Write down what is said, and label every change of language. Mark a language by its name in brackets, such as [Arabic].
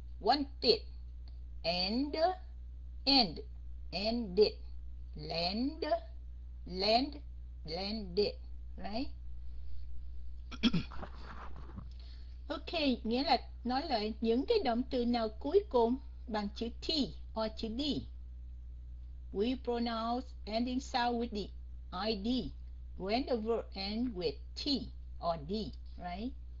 [English] Wanted, and, end, ended, land, land, landed, right? [Vietnamese] Ok, nghĩa là nói lại những cái động từ nào cuối cùng bằng chữ T [English] or [Vietnamese] chữ D. [English] We pronounce ending sound with the ID when the verb end with T or D, right?